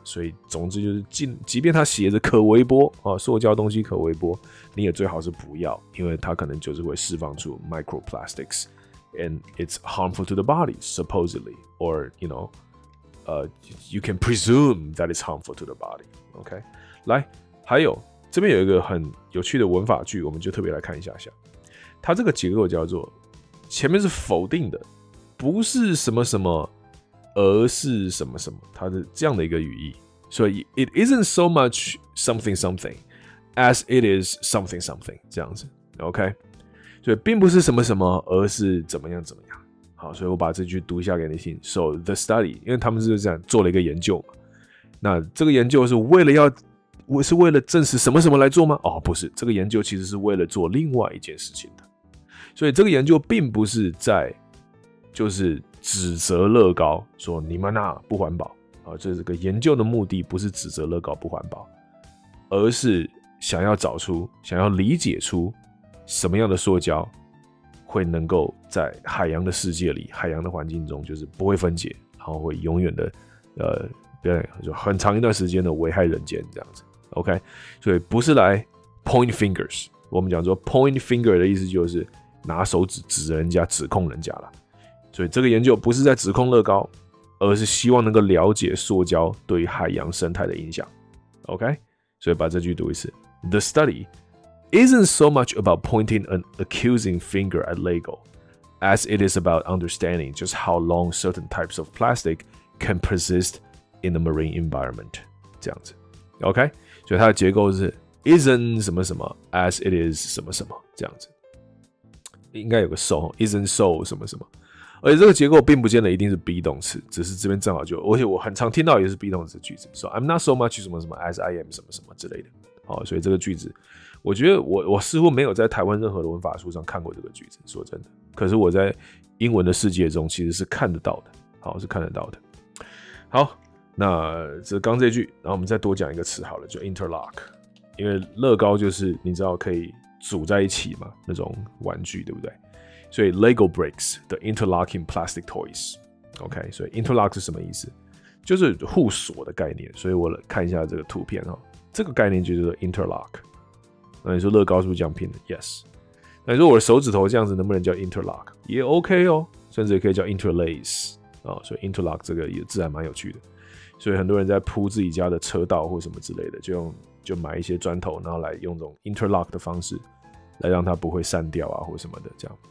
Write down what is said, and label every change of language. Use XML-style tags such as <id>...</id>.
<zh>所以总之就是，即便它写着可微波啊，塑胶东西可微波，你也最好是不要，因为它可能就是会释放出 microplastics，</zh> <en>and it's harmful to the body</en> <zh>supposedly， or you know， you can presume that it's harmful to the body。 OK， 来，还有。这边有一个很有趣的文法句，我们就特别来看一下下。它这个结构叫做，前面是否定的，不是什么什么，而是什么什么，它的这样的一个语义。</zh> <en>所以 it isn't so much something something as it is something something</en> <zh>这样子</zh> <en>，OK？</en> <zh>所以并不是什么什么，而是怎么样怎么样。好，所以我把这句读一下给你听。 So the study， 因为他们是这样做了一个研究嘛，那这个研究是为了要。我是为了证实什么什么来做吗？哦，不是，这个研究其实是为了做另外一件事情的。所以这个研究并不是在就是指责乐高说你们啊不环保啊，这个研究的目的不是指责乐高不环保，而是想要找出、想要理解出什么样的塑胶会能够在海洋的世界里、海洋的环境中就是不会分解，然后会永远的对，就很长一段时间的危害人间这样子 ，OK， 所以不是来 point fingers， 我们讲说 point finger 的意思就是拿手指指人家、指控人家了。所以这个研究不是在指控乐高，而是希望能够了解塑胶对海洋生态的影响 ，OK， 所以把这句读一次 ：</zh> <en>The study isn't so much about pointing an accusing finger at Lego as it is about understanding just how long certain types of plastic can persist。 In the marine environment，</en> <zh>这样子 ，OK， 所以它的结构是 isn't 什么什么 ，as it is 什么什么这样子，应该有个 so isn't so 什么什么，而且这个结构并不见得一定是 be 动词，只是这边正好就，而且我很常听到也是 be 动词的句子，说</zh> <en>I'm not so much</en> <zh>什么什么</zh> <en>as I am</en> <zh>什么什么之类的，好，所以这个句子，我觉得我似乎没有在台湾任何的文法书上看过这个句子，说真的，可是我在英文的世界中其实是看得到的，好，是看得到的，好。那这刚这句，然后我们再多讲一个词好了，就 interlock， 因为乐高就是你知道可以组在一起嘛，那种玩具对不对？</zh> <en>所以 Lego bricks the interlocking plastic toys， OK， 所以 interlock</en> <zh>是什么意思？就是互锁的概念。所以我看一下这个图片哈，这个概念就是 interlock。那你说乐高是不是这样拼的 ？Yes。那你说我的手指头这样子能不能叫 interlock？也 OK 哦，甚至也可以叫 interlace 啊、哦。所以 interlock 这个也字还蛮有趣的。所以很多人在铺自己家的车道或什么之类的，就买一些砖头，然后来用这种 interlock 的方式，来让它不会散掉啊或什么的这样。</zh>